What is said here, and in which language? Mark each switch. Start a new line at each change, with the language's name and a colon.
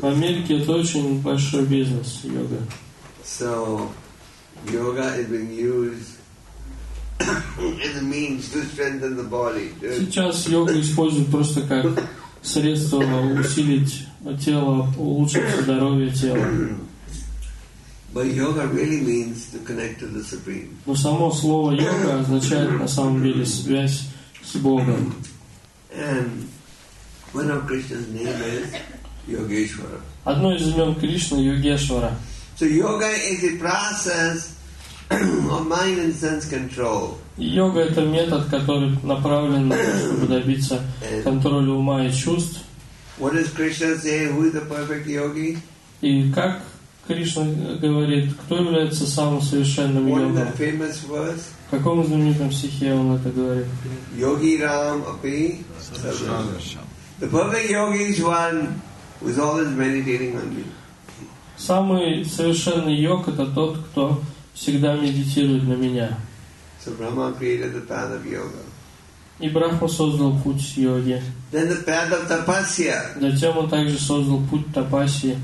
Russian: В Америке это очень большой бизнес йога.
English: So yoga is being used as a means to strengthen the body.
Russian: Сейчас йога используют просто как средство усилить тело, улучшить здоровье тела.
English: But yoga really means to connect to the Supreme.
Russian: Но само слово йога означает на самом деле связь с Богом.
English: And one of Krishna's name is Yogeshwara.
Russian: Одно из имен Кришны Йогешвара.
English: So yoga is a process of mind and sense control.
Russian: Йога это метод, который направлен на то, чтобы добиться контроля ума и чувств.
English: What does Krishna say? Who is the perfect yogi?
Russian: И как Кришна говорит, кто является самым совершенным йогой?
English: What is the famous verse?
Russian: В каком знаменитом стихе он это говорит? Yogi Ram Api Sarvasham.
English: The perfect yogi is one who is always meditating on me.
Russian: Самый совершенный йог это тот, кто всегда медитирует на меня.
English: So Brahma created the path of yoga.
Russian: И Брахма создал путь йоги.
English: Then the path of tapasya.
Russian: Затем он также создал путь тапасии.